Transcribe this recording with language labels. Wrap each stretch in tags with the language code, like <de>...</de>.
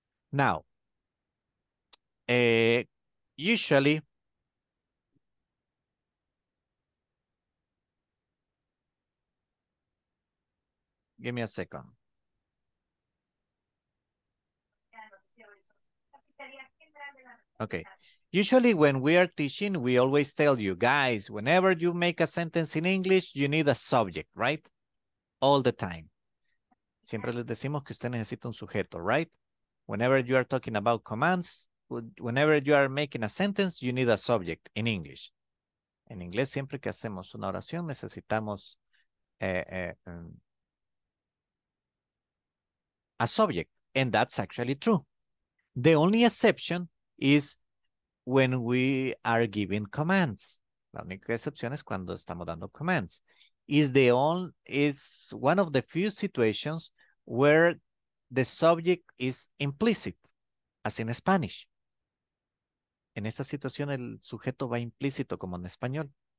<en>Now, usually, give me a second. Okay, usually when we are teaching, we always tell you, guys, whenever you make a sentence in English, you need a subject, right? All the time.</en> <es>Siempre les decimos que usted necesita un sujeto, right?</es> <en>Whenever you are talking about commands, whenever you are making a sentence, you need a subject in English.</en> <es>En inglés, siempre que hacemos una oración, necesitamos a subject.</es> <en>And that's actually true. The only exception is when we are giving commands.</en> <es>La única excepción es cuando estamos dando commands.</es> <en>Is one of the few situations where the subject is implicit, as in Spanish.</en> <es>En esta situación, el sujeto va implícito, como en español.</es>